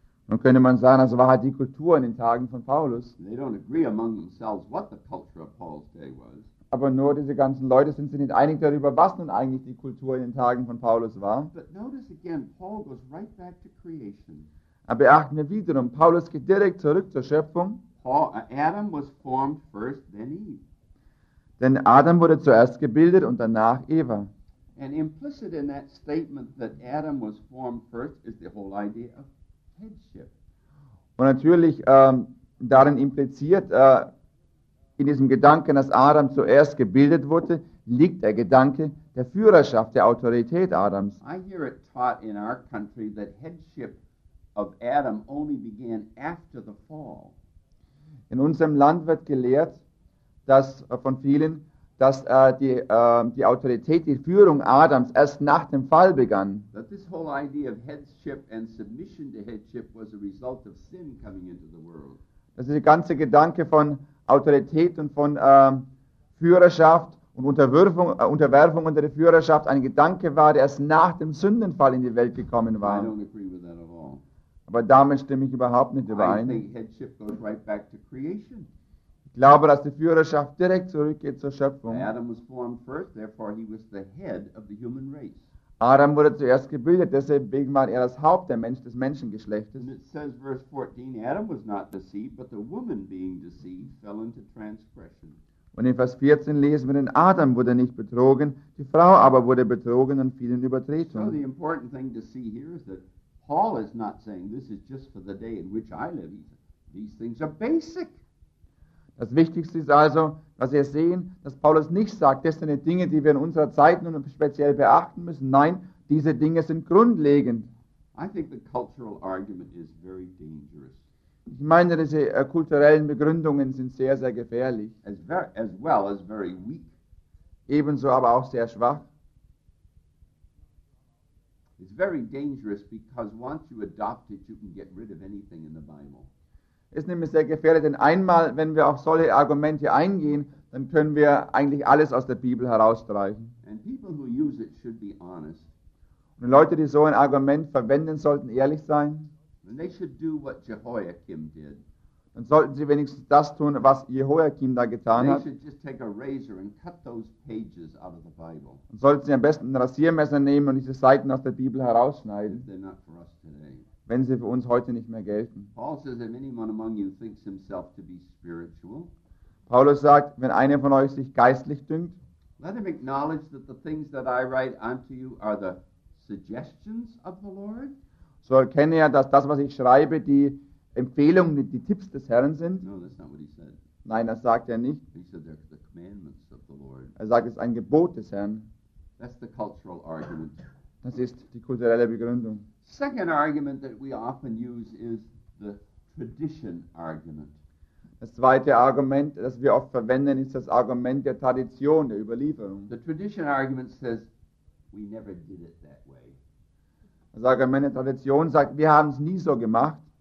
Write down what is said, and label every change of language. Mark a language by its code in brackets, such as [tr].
[de] Nun könnte man sagen, das war halt die Kultur in den Tagen von Paulus. [en] They don't agree among themselves what the culture of Paul's day was. [de] Aber nur diese ganzen Leute sind sich nicht einig darüber, was nun eigentlich die Kultur in den Tagen von Paulus war. [en] But notice again, Paul goes right back to creation. [de] Aber beachten wir wiederum, Paulus geht direkt zurück zur Schöpfung. [en] Adam was formed first, then Eve. [de] Denn Adam wurde zuerst gebildet und danach Eva. [en] And implicit in that statement that Adam was formed first is the whole idea of headship. [de] Und natürlich darin impliziert In diesem Gedanken, dass Adam zuerst gebildet wurde, liegt der Gedanke der Führerschaft, der Autorität Adams. [en] I hear it taught in our country that headship of Adam only began after the fall. [de] In unserem Land wird gelehrt, dass von vielen, dass die Autorität, die Führung Adams erst nach dem Fall begann. [en] That this whole idea of headship and submission to headship was a result of sin coming into the world. [de] Dass dieser ganze Gedanke von Autorität und von Führerschaft und Unterwerfung unter der Führerschaft ein Gedanke war, der erst nach dem Sündenfall in die Welt gekommen war. [en] I don't agree with that at all. [de] Aber damit stimme ich überhaupt nicht überein. [en] I think headship goes right back to creation. [de] Ich glaube, dass die Führerschaft direkt zurückgeht zur Schöpfung. [en] Adam was born first, therefore he was the head of the human race. [de] Adam wurde zuerst gebildet, deswegen war er das Haupt der Mensch, des Menschengeschlechtes. [en] And it says verse 14, Adam was not deceived, but the woman being deceived fell into transgression. [de] Und in Vers 14 lesen wir, denn Adam wurde nicht betrogen, die Frau aber wurde betrogen und fiel in Übertretung. [en] So the important thing to see here is that Paul is not saying this is just for the day in which I live. These things are basic. [de] Das Wichtigste ist also, dass wir sehen, dass Paulus nicht sagt, das sind die Dinge, die wir in unserer Zeit nun speziell beachten müssen. Nein, diese Dinge sind grundlegend. [en] I think the cultural argument is very dangerous. [de] Ich meine, diese kulturellen Begründungen sind sehr, sehr gefährlich. [en] As well as very weak. [de] Ebenso aber auch sehr schwach. [en] It's very dangerous because once you adopt it, you can get rid of anything in the Bible. [de] Es ist nämlich sehr gefährlich, denn einmal, wenn wir auf solche Argumente eingehen, dann können wir eigentlich alles aus der Bibel herausstreichen. [en] And people who use it should be honest. [de] Und Leute, die so ein Argument verwenden, sollten ehrlich sein. [en] And they should do what Jehoiakim did. [de] Dann sollten sie wenigstens das tun, was Jehoiakim da getan [en] they [de] hat. [en] Should just take a razor and cut those pages out of the Bible. [de] Dann sollten sie am besten ein Rasiermesser nehmen und diese Seiten aus der Bibel herausschneiden. [en] They're not for us today. [de] Wenn sie für uns heute nicht mehr gelten. [en] Paul says, if anyone among you thinks himself to be spiritual, [de] Paulus sagt, wenn einer von euch sich geistlich dünkt, [en] let him acknowledge that the things that I write unto you are the suggestions of the Lord. [de] So erkenne er, dass das, was ich schreibe, die Empfehlungen, die Tipps des Herrn sind. [en] No, that's not what he said. [de] Nein, das sagt er nicht. [en] He said, they're the commandments of the Lord. [de] Er sagt, es ist ein Gebot des Herrn. [en] That's the cultural argument. [de] Das ist die kulturelle Begründung. [en] Second argument that we often use is the tradition argument. [de] Das zweite Argument, das wir oft verwenden, ist das Argument der Tradition, der Überlieferung. [en] The tradition argument says we never did it that way. [de] Das Argument der Tradition sagt, wir haben es nie so gemacht.